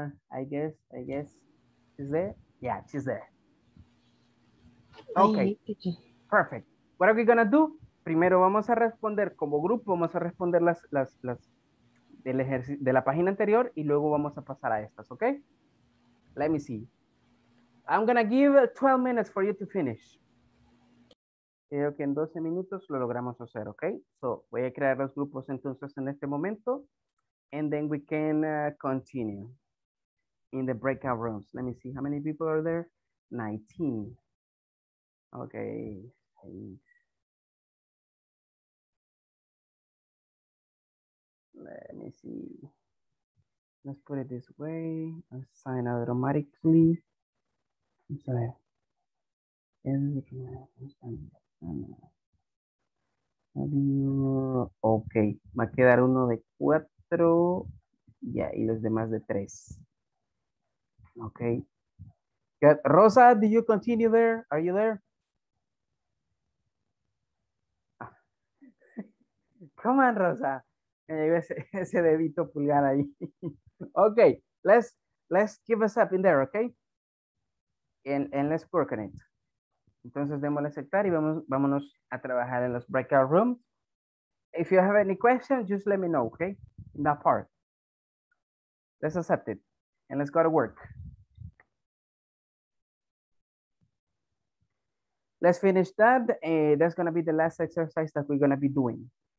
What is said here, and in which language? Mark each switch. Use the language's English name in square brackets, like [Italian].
[English] I guess she's there. Yeah, she's there. Okay, perfect. What are we gonna do? [Spanish] Primero vamos a responder como grupo, vamos a responder las del ejercicio de la página anterior y luego vamos a pasar a estas, okay? [English] Let me see. I'm gonna give 12 minutes for you to finish. [Spanish] Creo que en 12 minutos lo logramos hacer, okay? So, voy a crear los grupos entonces en este momento. [English] And then we can continue in the breakout rooms. Let me see how many people are there. 19. Okay. Let me see. Let's put it this way. Assign automatically. I'm sorry. Okay. [Spanish] Va a quedar uno de cuatro. Yeah, y los demás de tres. Okay. [English] Rosa, do you continue there? Are you there? Come on, [Spanish] Rosa. Ese dedito pulgar ahí. [English] Okay, let's give us up in there, okay? And let's work on it. [Spanish] Entonces, démosle aceptar y vámonos a trabajar en los breakout rooms. [English] If you have any questions, just let me know, okay? In that part. Let's accept it and let's go to work. Let's finish that. That's going to be the last exercise that we're going to be doing.